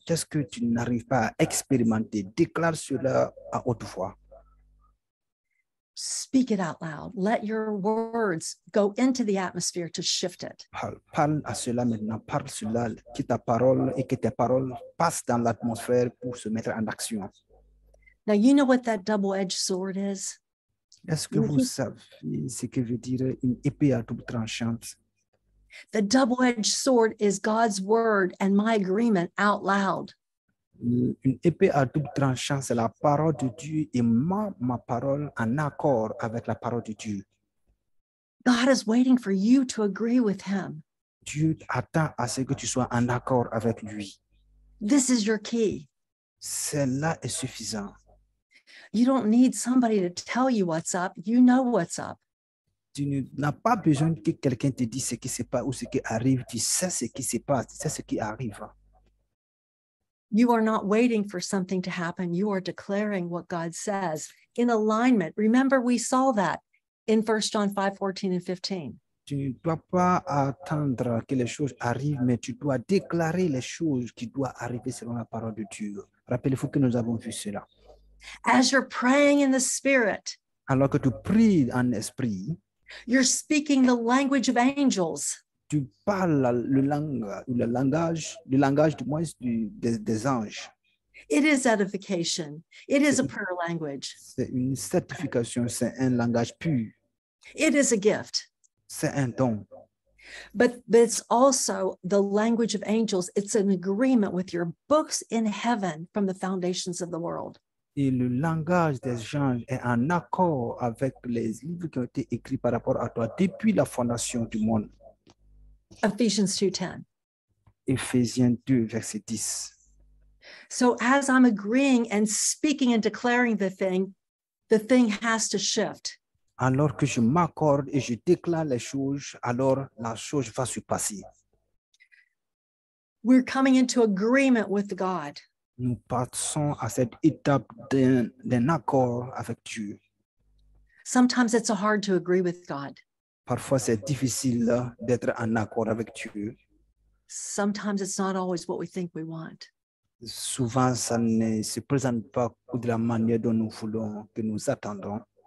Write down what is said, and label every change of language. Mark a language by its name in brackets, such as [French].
[French] Qu'est-ce que tu n'arrives pas à expérimenter? Déclare cela à haute voix. [English] Speak it out loud. Let your words go into the atmosphere to shift it. [French] Parle à cela maintenant. Parle cela. Que ta parole et que tes paroles passent dans l'atmosphère pour se mettre en action. [English] Now you know what that double-edged sword is. [French] Est-ce que vous savez ce que veut dire une épée à double tranchante? [English] The double-edged sword is God's word and my agreement out loud. [French] Une épée à double tranchant, c'est la parole de Dieu et ma parole en accord avec la parole de Dieu. [English] God is waiting for you to agree with him. [French] Dieu attend à ce que tu sois en accord avec lui. [English] This is your key. [French] Cela est suffisant. [English] You don't need somebody to tell you what's up. You know what's up. [French] Tu n'as pas besoin que quelqu'un te dise ce qui se passe ou ce qui arrive. Tu sais ce qui se passe, tu sais ce qui arrive. [English] You are not waiting for something to happen. You are declaring what God says in alignment. Remember, we saw that in 1 John 5:14 and 15. [French] Tu ne dois pas attendre que les choses arrivent, mais tu dois déclarer les choses qui doivent arriver selon la parole de Dieu. Rappelez-vous que nous avons vu cela. [English] As you're praying in the Spirit, [French] alors que tu pries en esprit, [English] you're speaking the language of angels. [French] Tu parles le langage du moins des anges. [English] It is edification. It is a prayer language. [French] C'est une certification. C'est un langage pur. [English] It is a gift. [French] C'est un don. [English] But it's also the language of angels. It's an agreement with your books in heaven from the foundations of the world. [French] Et le langage des anges est en accord avec les livres qui ont été écrits par rapport à toi depuis la fondation du monde. [English] Ephesians 2:10. [French] Ephésiens 2, verset 10. [English] So as I'm agreeing and speaking and declaring the thing has to shift. [French] Alors que je m'accorde et je déclare les choses, alors la chose va se passer. [English] We're coming into agreement with God. [French] Nous passons à cette étape d'un accord avec Dieu. [English] Sometimes it's hard to agree with God. [French] Parfois c'est difficile d'être en accord avec Dieu. [English] Sometimes it's not always what we think we want. [French] Souvent ça ne se présente pas de la manière dont nous voulons, que nous attendons.